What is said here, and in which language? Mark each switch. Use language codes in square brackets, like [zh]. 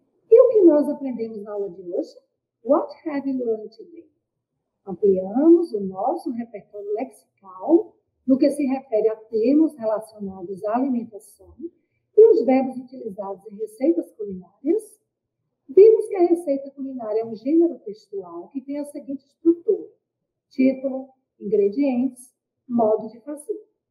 [pt] E o que nós aprendemos na aula de hoje? [en] What have you learned today? [pt] Ampliamos o nosso repertório lexical no que se refere a termos relacionados à alimentação e os verbos utilizados em receitas culinárias. Vimos que a receita culinária é um gênero textual que tem a seguinte estrutura: título, ingredientes, modo de fazer.